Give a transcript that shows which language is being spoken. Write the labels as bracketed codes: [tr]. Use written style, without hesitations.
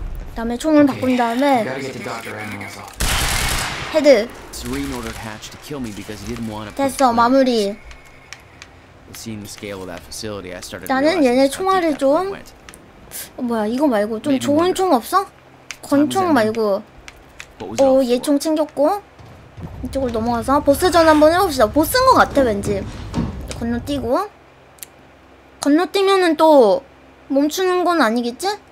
[ko] 그다음에 총을 바꾼 다음에 헤드. [en] Serene ordered Hatch to kill me because he didn't want to. [ko] 됐어, 마무리. [en] Seeing the scale of that facility, I started. [ko] 나는 얘네 총알을 좀. 뭐야 이거 말고 좀 좋은 총 없어? 권총 말고. 얘 총 챙겼고 이쪽으로 넘어가서 보스전 한번 해봅시다. 보스인 것 같아 왠지. 건너뛰고. 건너뛰면은 또 멈추는 건 아니겠지?